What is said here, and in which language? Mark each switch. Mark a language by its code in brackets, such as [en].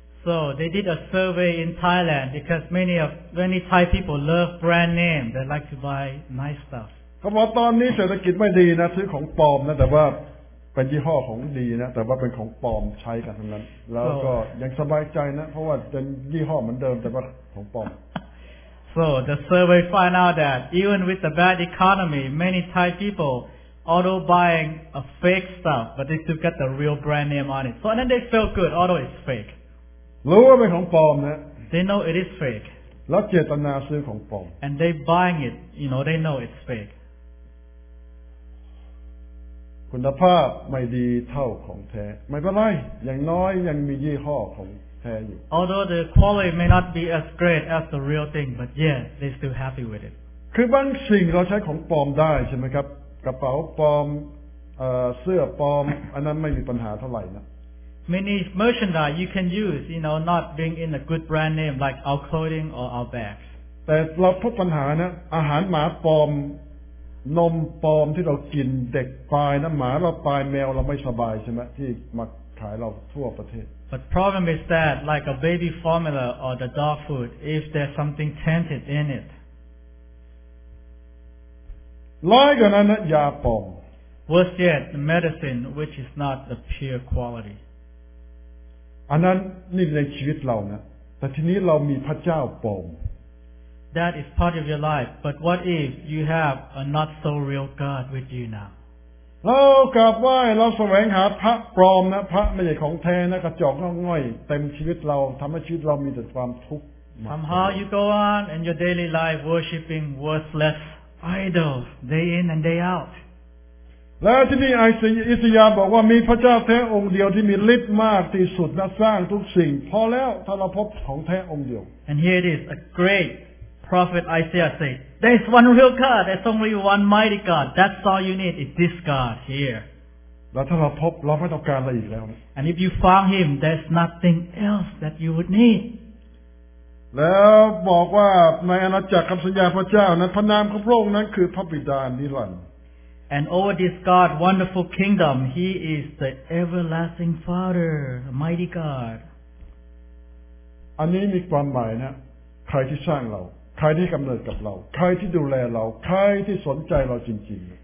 [en] So they did a survey in Thailand because many Thai people love brand name. They like to buy nice stuff. [th] เขาบอกตอนนี้เศรษฐกิจไม่ดีนะซื้อของปลอมนะแต่ว่าเป็นยี่ห้อของดีนะแต่ว่าเป็นของปลอมใช้กันทั้งนั้นแล้วก็ยังสบายใจนะเพราะว่าเป็นยี่ห้อเหมือนเดิมแต่ว่าของปลอม [en] So the survey found out that even with the bad economy many Thai people auto buying a fake stuff but they still got the real brand name on it so then they feel good although it's fake [th] รู้ว่าเป็นของปลอมนะ [en] They know it is fake [th] แล้วเจตนาซื้อของปลอม [en] And they buying it you know they know it's fake [th] คุณภาพไม่ดีเท่าของแท้ไม่เป็นไรอย่างน้อยยังมียี่ห้อของแท้อยู่ [en] Although the quality may not be as great as the real thing but yeah they still happy with it [th] คือบางสิ่งเราใช้ของปลอมได้ใช่ไหมครับกระเป๋าปลอมเสื้อปลอมอันนั้นไม่มีปัญหาเท่าไหร่นะ [en] Many merchandise you can use you know not being in a good brand name like our clothing or our bags [th] แต่เราพบปัญหานะอาหารหมาปลอมนมปลอมที่เรากินเด็กตายนะหมาเราตายแมวเราไม่สบายใช่ไหมที่มาขายเราทั่วประเทศ [en] But problem is that like a baby formula or the dog food if there's something tainted in it [th] ร้ายกว่านั้นนะยาปลอม [en] Worse yet the medicine which is not the pure quality [th] อันนั้นนี่ในชีวิตเรานะแต่ทีนี้เรามีพระเจ้าปลอม [en] That is part of your life, but what if you have a not so real God with you now? [th] เรากราบไหว้เราแสวงหาพระปลอมนะพระไม่ใช่ของแท้นะกระจอกง่อยเต็มชีวิตเราทำให้ชีวิตเรามีแต่ความทุกข์ [en] Somehow you go on in your daily life worshiping worthless idols day in and day out. [th] แล้วที่นี่อิสยาห์บอกว่ามีพระเจ้าแท้องค์เดียวที่มีฤทธิ์มากที่สุดนะสร้างทุกสิ่งพอแล้วถ้าเราพบของแท้องค์เดียว [en] And here it is a greatProphet Isaiah said, there's one real God, there's only one mighty God, that's all you need, is this God here. And if you found him, there's nothing else that you would need. [th] แล้วบอกว่าในอาณาจักรคำสัญญาพระเจ้านั้นพระนามของพระองค์นั้นคือพระบิดานิรันดร์ [en] And over this God, wonderful kingdom, he is the everlasting Father, the mighty God. [th] อันนี้มีความหมายนะใครที่สร้างเราใครที่กำเนิดกับเราใครที่ดูแลเราใครที่สนใจเราจริง